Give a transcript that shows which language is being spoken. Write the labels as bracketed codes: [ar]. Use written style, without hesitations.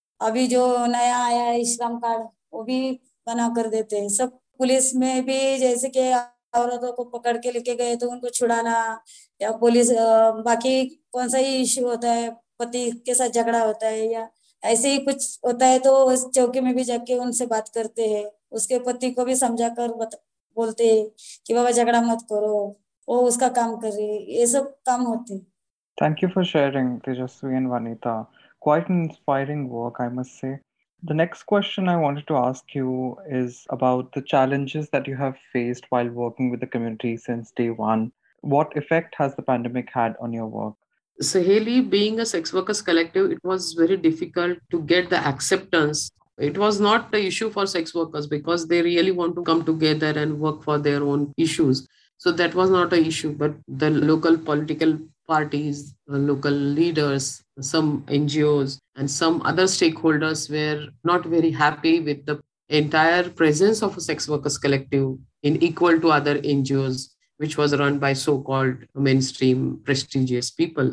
[hi] अभी जो नया आया है श्रम कार्ड वो भी बना कर देते हैं सब पुलिस में भी जैसे कि औरतों को पकड़ के लेके गए तो उनको छुड़ाना या पुलिस बाकी कौन सा ही इश्यू होता है पति के साथ झगड़ा होता है या ऐसे ही कुछ होता है तो उस चौकी में भी जाके उनसे बात करते हैं उसके पति को भी समझा कर बोलते हैं कि बाबा झगड़ा मत करो वो उसका काम कर रही है ये सब काम होते हैं [en] Thank you for sharing Tejaswi and Vanita quite an inspiring work I must say the next question I wanted to ask you is about the challenges that you have faced while working with the community since day one what effect has the pandemic had on your work Saheli, being a sex workers collective, it was very difficult to get the acceptance It was not an issue for sex workers because they really want to come together and work for their own issues. So that was not an issue. But the local political parties, the local leaders, some NGOs and some other stakeholders were not very happy with the entire presence of a sex workers collective in equal to other NGOs, which was run by so-called mainstream prestigious people.